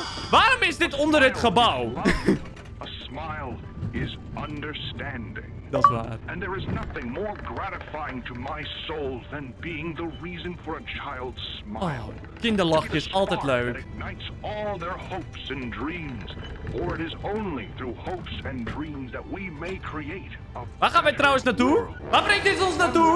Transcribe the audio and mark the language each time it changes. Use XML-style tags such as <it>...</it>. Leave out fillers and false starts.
<nl>Waarom is dit onder het gebouw?</nl> <en>A smile is understanding.</en> <nl>Dat is waar.</nl> <en>And there is nothing more gratifying to my soul than being the reason for a child's smile.</en> <nl>Oh, kinderlachje is altijd leuk.</nl> <en>It ignites all their hopes and dreams. Or it is only through hopes and dreams that we may create a better world.</en> <nl>Waar gaan wij trouwens naartoe? Waar brengt dit ons naartoe?</nl>